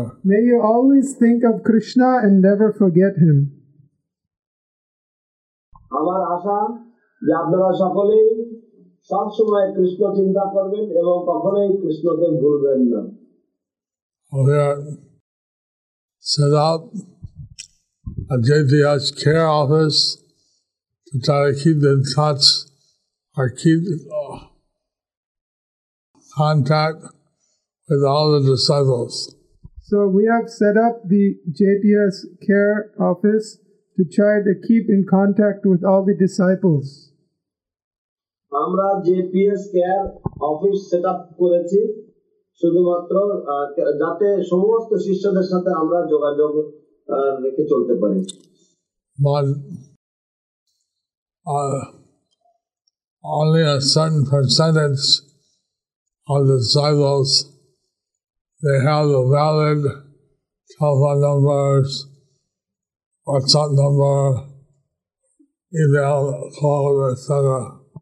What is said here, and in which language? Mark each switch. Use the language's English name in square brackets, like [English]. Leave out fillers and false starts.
[English] May you always think of Krishna and never forget him. [Bangla] আশা যে আপনারা সকলেই সবসময় কৃষ্ণ চিন্তা করবেন এবং কখনোই কৃষ্ণকে ভুলবেন না। [English] We are set up at JTH care office to try to keep in touch or keep contact with all the disciples. So we have set up the JTH care office to try to keep in contact with all the disciples. [Bangla] আমরা JPS care office set up করেছি শুধুমাত্র যাতে সমস্ত শিষ্যদের সাথে আমরা যোগাযোগ রেখে চলতে পারি। [English] But only a certain percentage of the disciples they have the valid telephone numbers, WhatsApp number, email, call, etc.